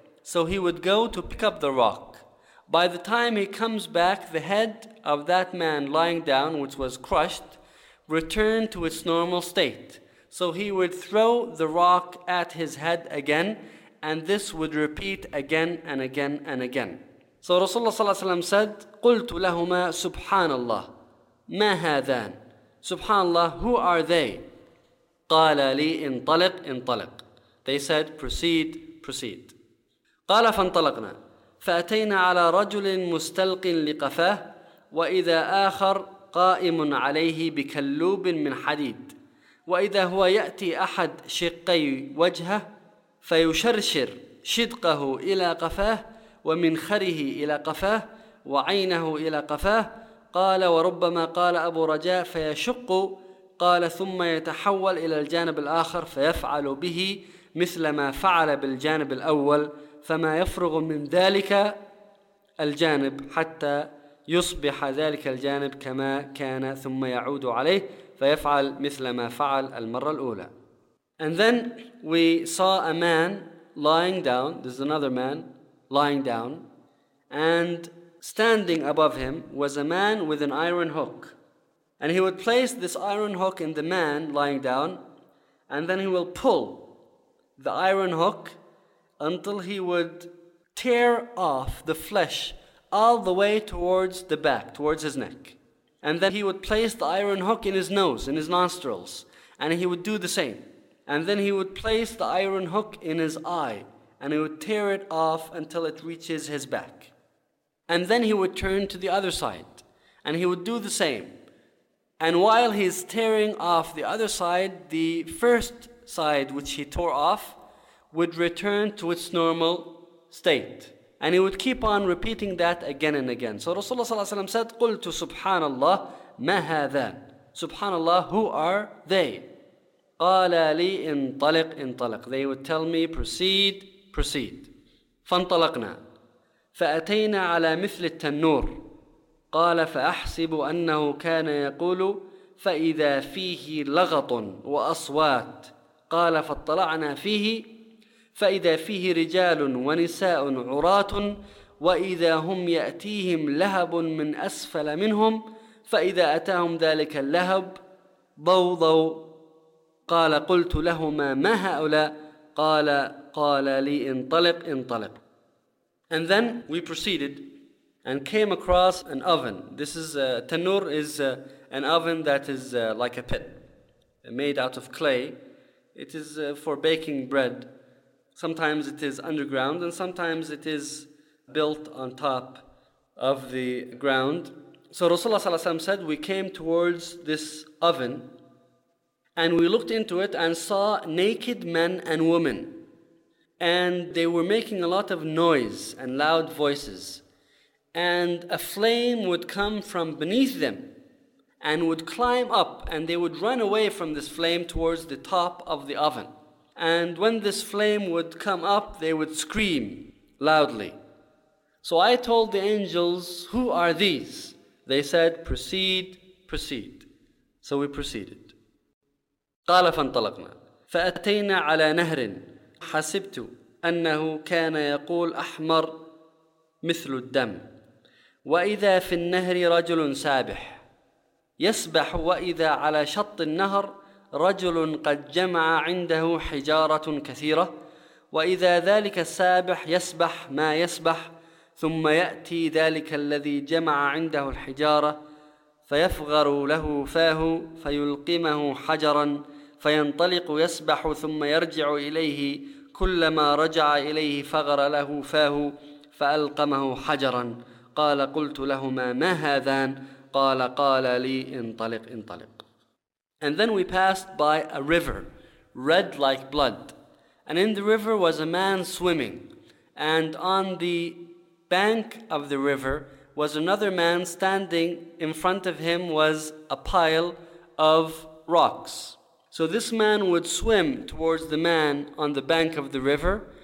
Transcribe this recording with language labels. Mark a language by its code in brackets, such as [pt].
[en] So he would go to pick up the rock. By the time he comes back, the head of that man lying down, which was crushed, returned to its normal state. So he would throw the rock at his head again, and this would repeat again and again and again. So [ar] Rasulullah صلى الله عليه وسلم [en] said, [ar] قلت لهما سبحان الله ما هذان سبحان الله, [en] who are they? [ar] قال لي انطلق انطلق. [en] They said, proceed, proceed. [ar] قال فانطلقنا فأتينا على رجل مستلق لقفاه وإذا آخر قائم عليه بكلوب من حديد وإذا هو يأتي أحد شقي وجهه فيشرشر شدقه إلى قفاه ومنخره إلى قفاه وعينه إلى قفاه. قال وربما قال أبو رجاء فيشق. قال ثم يتحول إلى الجانب الآخر فيفعل به مثل ما فعل بالجانب الأول فما يفرغ من ذلك الجانب حتى يصبح ذلك الجانب كما كان ثم يعود عليه فيفعل مثل ما فعل المرة الأولى. [en] And then we saw a man lying down. This is another man lying down, and standing above him was a man with an iron hook. And he would place this iron hook in the man lying down, and then he will pull the iron hook until he would tear off the flesh all the way towards the back, towards his neck. And then he would place the iron hook in his nose, in his nostrils, and he would do the same. And then he would place the iron hook in his eye, and he would tear it off until it reaches his back. And then he would turn to the other side, and he would do the same. And while he's tearing off the other side, the first side which he tore off would return to its normal state. And he would keep on repeating that again and again. So [ar] Rasulullah ﷺ [en] said, [ar] قُلْتُ سُبْحَانَ اللَّهِ مَا هَذَا سُبْحَانَ اللَّهِ [en] Who are they? [ar] قَالَ لِي انطلق انطلق [en] They would tell me, proceed, proceed. [ar] فَانْطَلَقْنَا فَأَتَيْنَا عَلَى مِثْلِ التَّنُّورِ قَالَ فَأَحْسِبُ أَنَّهُ كَانَ يَقُولُ فَإِذَا فِيهِ لَغَطٌ وَأَصْوَاتٌ قَالَ فَاطَّلَعْنَا فِيهِ فَإِذَا فِيهِ رِجَالٌ وَنِسَاءٌ عُرَاتٌ وَإِذَا هُمْ يَأْتِيهِمْ لَهَبٌ مِنْ أَسْفَلَ مِنْهُمْ فَإِذَا أَتَاهُمْ ذَلِكَ اللَّهَبُ ضَوْضَوْ قَالَ قُلْتُ لَهُمَا مَا هَؤُلَاء قَالَ لِي انطلق انطلق [en] And then we proceeded and came across an oven. This is tanur is an oven that is like a pit made out of clay. It is for baking bread. Sometimes it is underground and sometimes it is built on top of the ground. So Rasulullah ﷺ said, we came towards this oven and we looked into it and saw naked men and women. And they were making a lot of noise and loud voices. And a flame would come from beneath them and would climb up and they would run away from this flame towards the top of the oven. And when this flame would come up, they would scream loudly. So I told the angels, who are these? They said, proceed, proceed. So we proceeded. [ar] قَالَ فَانْطَلَقْنَا فَأَتَيْنَا عَلَى نَهْرٍ حَسِبْتُ أَنَّهُ كَانَ يَقُولْ أَحْمَرْ مِثْلُ الدَّمْ وَإِذَا فِي النَّهْرِ رَجُلٌ سَابِحٌ يَسْبَحُ وَإِذَا عَلَى شَطِّ النَّهْرِ رجل قد جمع عنده حجارة كثيرة وإذا ذلك السابح يسبح ما يسبح ثم يأتي ذلك الذي جمع عنده الحجارة فيفغر له فاه فيلقمه حجرا فينطلق يسبح ثم يرجع إليه كلما رجع إليه فغر له فاه فألقمه حجرا قال قلت لهما ما هذان قال لي انطلق انطلق [en] And then we passed by a river, red like blood. And in the river was a man swimming. And on the bank of the river was another man standing. In front of him was a pile of rocks. So this man would swim towards the man on the bank of the river.